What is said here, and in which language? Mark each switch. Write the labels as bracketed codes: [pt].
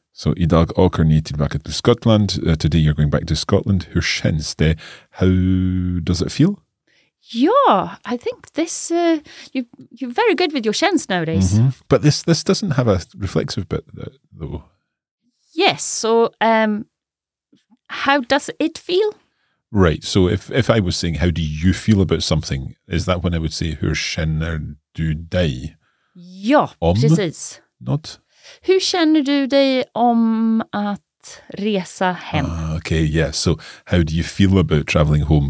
[sv] Så idag åker ni tillbaka till Skottland. [en] Today you're going back to Scotland. [sv] Hur känns det? [en] How does it feel? Yeah, I think this, you're very good with your chance nowadays. Mm-hmm. But this doesn't have a reflexive bit, though. Yes, so how does it feel? Right, so if I was saying, how do you feel about something, is that when I would say, [sv] hur känner du dig? Ja, precis. [en] Not? [sv] Hur känner du dig om att resa hem? [en] Okay, yeah. So how do you feel about traveling home?